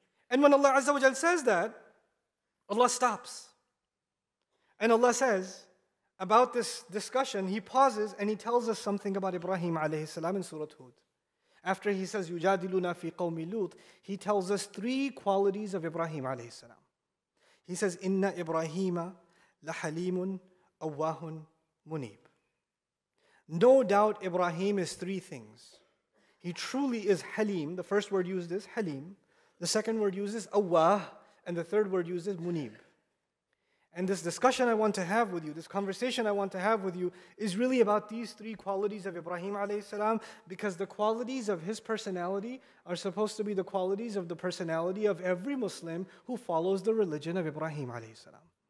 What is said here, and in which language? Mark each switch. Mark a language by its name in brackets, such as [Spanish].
[English] And when Allah Azza wa Jal says that, Allah stops. And Allah says, about this discussion, he pauses and he tells us something about Ibrahim alayhi salam in Surah Hud. After he says, [Arabic] يُجَادِلُونَ فِي قَوْمِ لُوتِ, [English] he tells us three qualities of Ibrahim alayhi salam. [Arabic] He says, إِنَّ إِبْرَاهِيمَ لَحَلِيمٌ أَوَّاهٌ مُنِيبٌ. [English] No doubt Ibrahim is three things. He truly is Halim. The first word used is Halim. The second word used is Awwah. And the third word used is Munib. And this discussion I want to have with you, this conversation I want to have with you, is really about these three qualities of Ibrahim alayhi salam, because the qualities of his personality are supposed to be the qualities of the personality of every Muslim who follows the religion of Ibrahim alayhi salam.